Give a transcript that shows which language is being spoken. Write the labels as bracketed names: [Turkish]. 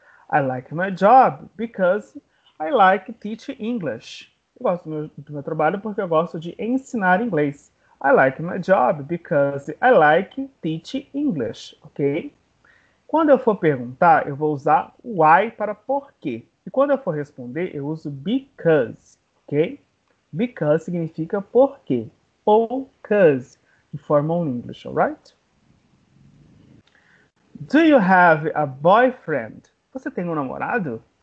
[English] I like my job because I like teaching English. [Portuguese] Eu gosto do meu trabalho porque eu gosto de ensinar inglês. [English] I like my job because I like teaching English, ok? [Portuguese] Quando eu for perguntar, eu vou usar why para por quê. E quando eu for responder, eu uso because, ok? Because significa por quê ou cause [English] in formal English, alright? Do you have a boyfriend? [Portuguese] Você tem um namorado?